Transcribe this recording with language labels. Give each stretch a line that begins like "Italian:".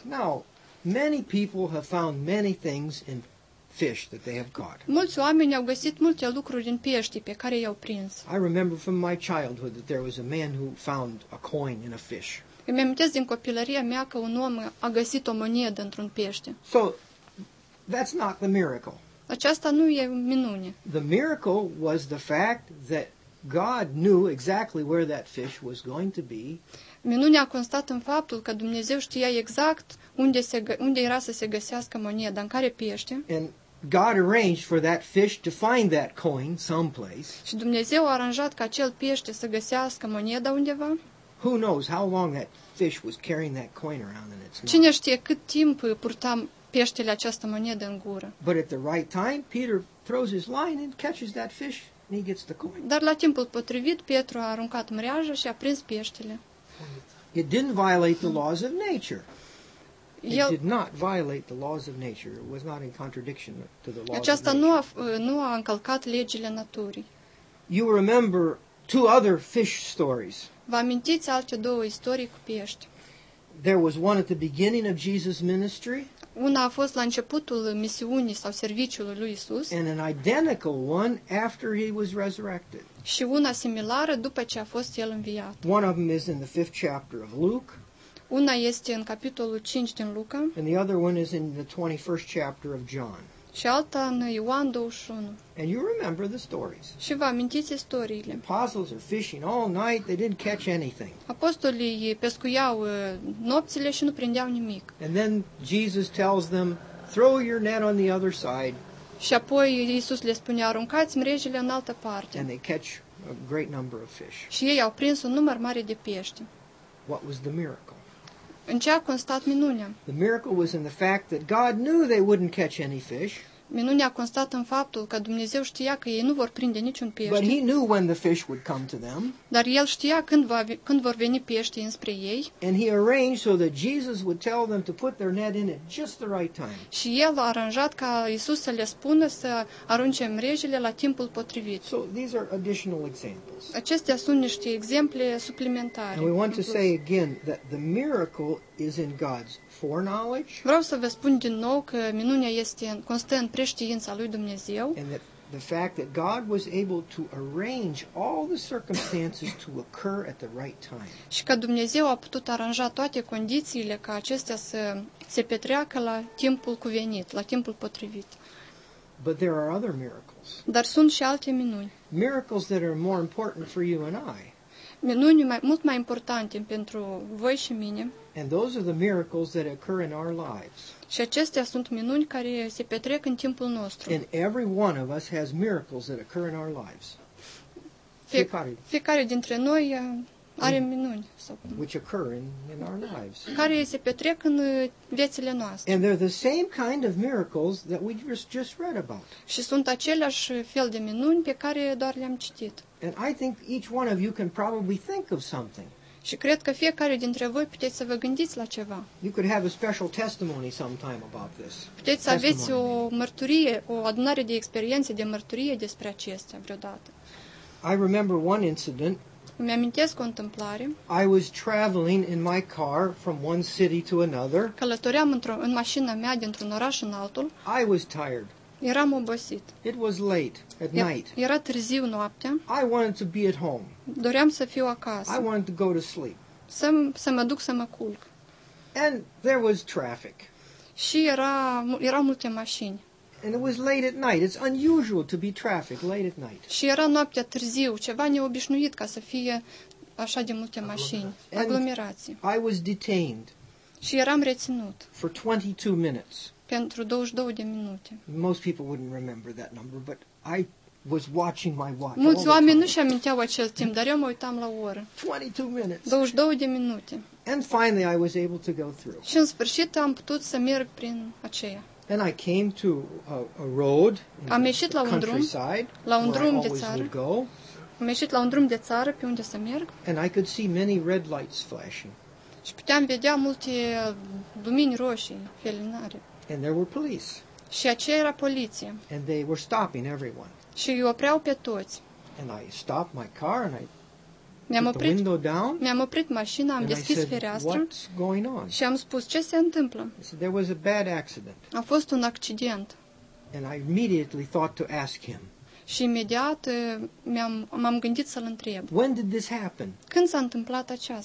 English: Now, many people have found many things in fish that they have caught.
Romanian: Mulți oameni au găsit multe lucruri în peștii pe care i-au prins.
English: I remember from my childhood that there was a man who found a coin in a fish.
Romanian: Îmi amintesc din copilăria mea că un om a găsit o monedă într-un pește.
English: So that's not the miracle.
Romanian: Aceasta nu e minune.
English: The miracle was the fact that God knew exactly where that fish was going to be.
Romanian: Minunea constat în faptul că Dumnezeu știa exact unde era să se găsească moneda, în care pește.
English: And God arranged for that fish to find that coin someplace.
Romanian: Și Dumnezeu a aranjat ca acel pește să găsească moneda undeva.
English: Who knows how long that fish was carrying that coin around in its mouth?
Romanian: Cine știe cât timp purta peștele această monedă în gură?
English: But at the right time, Peter throws his line and catches that fish and he gets the coin.
Romanian: Dar la timpul potrivit, Petru a aruncat mreaja și a prins peștele.
English: It didn't violate the laws of nature. It did not violate the laws of nature. It was not in contradiction to the laws of nature.
Romanian: Aceasta nu a încălcat legile naturii.
English: You remember two other fish stories.
Romanian: Vă amintiți alte două istorii cu pești?
English: There was one at the beginning of Jesus' ministry.
Romanian: Una a fost la începutul misiunii sau serviciului lui Isus.
English: And an identical one after he was resurrected.
Romanian: Și una similară după ce a fost el înviat.
English: One of them is in the fifth chapter of Luke.
Romanian: Una este în capitolul 5 din Luca.
English: And the other one is in the 21st chapter of John.
Romanian: Și alta în Ioan 21.
English: And you remember the stories.
Romanian: Și vă amintiți istoriile.
English: Apostles are fishing all night, they didn't catch anything.
Romanian: Apostolii pescuiau nopțile și nu prindeau nimic.
English: And then Jesus tells them, "Throw your net on the other side."
Romanian: Și apoi Iisus le spune, aruncați mrejile în altă parte.
English: And they catch a great number of fish.
Romanian: Și ei au prins un număr mare de pești.
English: What was the miracle?
Romanian: În ce a constat minunea?
English: The miracle was in the fact that God knew they wouldn't catch any fish.
Romanian: Minunea a constat în faptul că Dumnezeu știa că ei nu vor prinde niciun pește.
English: But he knew when the fish would come to them.
Romanian: Dar el știa când vor veni peștii înspre ei.
English: And he arranged so that Jesus would tell them to put their net in at just the right time.
Romanian: Și el a aranjat ca Isus să le spună să arunce mrejile la timpul potrivit.
English: So these are additional examples.
Romanian: Acestea sunt niște exemple suplimentare.
English: And we want to say again that the miracle is in God's foreknowledge.
Romanian: Vreau să vă spun din nou că minunea este constă în preștiința lui Dumnezeu.
English: And that the fact that God was able to arrange all the circumstances to occur at the right time.
Romanian: Și că Dumnezeu a putut aranja toate condițiile ca acestea să se petreacă la timpul cuvenit, la timpul potrivit.
English: But there are other miracles.
Romanian: Dar sunt și alte minuni.
English: Miracles that are more important for you and I.
Romanian: Minuni mult mai importante pentru voi și mine.
English: And those are the miracles that occur in our lives.
Romanian: Și acestea sunt minuni care se petrec în timpul nostru.
English: And every one of us has miracles that occur in our lives.
Romanian: Fiecare dintre noi are minuni.
English: Which occur in our lives.
Romanian: Care se petrec în viețile noastre.
English: And they're the same kind of miracles that we just read about.
Romanian: Și sunt aceleași fel de minuni pe care doar le-am citit.
English: And I think each one of you can probably think of something.
Romanian: Și cred că fiecare dintre voi puteți să vă gândiți la ceva.
English: You could have a special testimony sometime about this.
Romanian: Puteți să aveți o mărturie, o adunare de experiențe, de mărturie despre acestea vreodată.
English: I remember one incident.
Romanian: Îmi amintesc o întâmplare.
English: I was traveling in my car from one city to another.
Romanian: Călătoream în mașina mea dintr-un oraș în altul.
English: I was tired.
Romanian: Eram obosit.
English: It was late at night.
Romanian: Era târziu noaptea.
English: I wanted to be at home.
Romanian: Doream să fiu acasă.
English: I wanted to go to sleep.
Romanian: Să mă duc să mă culc.
English: And there was traffic.
Romanian: Și erau multe mașini.
English: And it was late at night. It's unusual to be traffic late at night.
Romanian: Și era noaptea târziu, ceva neobișnuit ca să fie așa de multe mașini, aglomerații.
English: I was detained.
Romanian: Și eram reținut.
English: For 22 minutes.
Romanian: Pentru 22 de minute.
English: Most people wouldn't remember that number, but I was watching my watch.
Romanian: Mulți oameni nu și-au aminteau acest timp, dar eu mă uitam la oră.
English: 22 minutes.
Romanian: 22 de minute.
English: And finally I was able to go through.
Romanian: Și în sfârșit am putut să merg prin aceea.
English: And I came to a road.
Romanian: Am ieșit la un drum. La un drum de țară. Am ieșit la un drum de țară pe unde să merg.
English: And I could see many red lights flashing.
Romanian: Și puteam vedea multe lumini roșii, felinare.
English: And there were police.
Romanian: Și aceea era poliție.
English: And they were stopping everyone.
Romanian: Și îi opreau pe toți.
English: And I stopped my car and I put the window down.
Romanian: Mi-am oprit mașina, am deschis fereastra.
English: What's going on?
Romanian: Și am spus, ce se întâmplă?
English: I said, there was a bad accident.
Romanian: A fost un accident.
English: And I immediately thought to ask him.
Romanian: Și imediat m-am gândit să-l întreb.
English: When did this happen?
Romanian: Când s-a întâmplat aceasta?